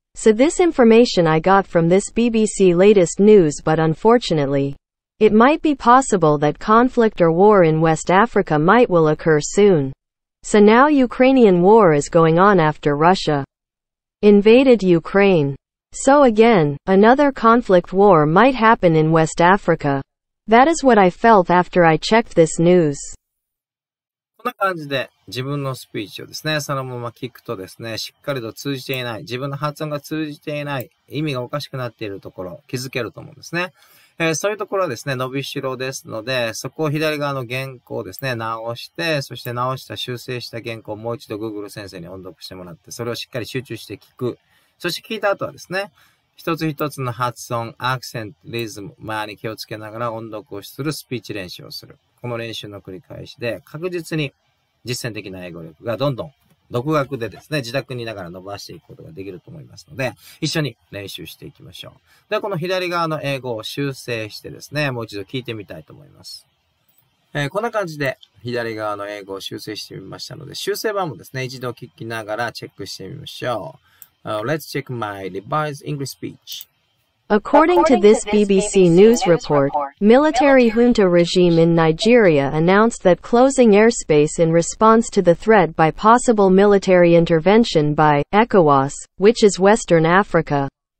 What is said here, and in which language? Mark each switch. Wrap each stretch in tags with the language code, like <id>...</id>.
<en>So this information I got from this BBC latest news, but unfortunately, it might be possible that conflict or war in West Africa might will occur soon. So now Ukrainian war is going on after Russia invaded Ukraine. So again, another conflict war might happen in West Africa. That is what I felt after I checked this news.</en> <ja>こんな感じで自分のスピーチをですね、そのまま聞くとですね、しっかりと通じていない、自分の発音が通じていない、意味がおかしくなっているところを気づけると思うんですね。そういうところはですね、伸びしろですので、そこを左側の原稿をですね、直して、そして直した、修正した原稿をもう一度 Google 先生に音読してもらって、それをしっかり集中して聞く。そして聞いた後はですね、一つ一つの発音、アクセント、リズム、前に気をつけながら音読をするスピーチ練習をする。この練習の繰り返しで、確実に実践的な英語力がどんどん独学でですね、自宅にいながら伸ばしていくことができると思いますので、一緒に練習していきましょう。では、この左側の英語を修正してですね、もう一度聞いてみたいと思います。こんな感じで左側の英語を修正してみましたので、修正版もですね、一度聞きながらチェックしてみましょう。</ja> <en>Let's check my revised English speech. According to this BBC news report, military junta regime in Nigeria announced that closing airspace in response to the threat by possible military intervention by ECOWAS, which is Western Africa.</en>